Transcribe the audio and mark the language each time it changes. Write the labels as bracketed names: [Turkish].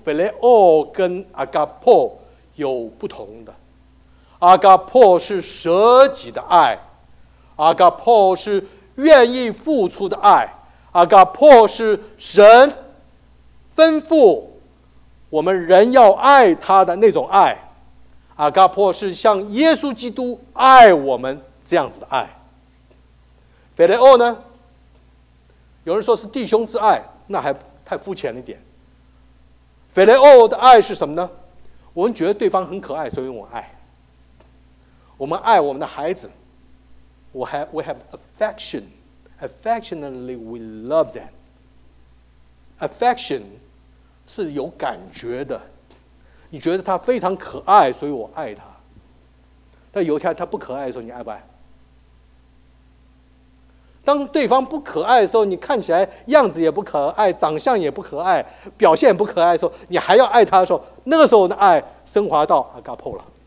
[Chinese] Phileo 跟 Agapo 有不同的， Agapo 是舍己的爱， Agapo 是愿意付出的爱， Agapo 是神吩咐我们人要爱他的那种爱， Agapo 是像耶稣基督爱我们这样子的爱。 Phileo 呢，有人说是弟兄之爱，那还太肤浅了一点。 Phileo 的爱是什么呢？我们觉得对方很可爱，所以我爱。我们爱我们的孩子， [English] we have affection, affectionately we love them. [Chinese] Affection 是有感觉的，你觉得他非常可爱，所以我爱他。但有一天他不可爱的时候，你爱不爱？当对方不可爱的时候，你看起来样子也不可爱，长相也不可爱，表现也不可爱的时候，你还要爱他的时候，那个时候的爱升华到 agapo 了。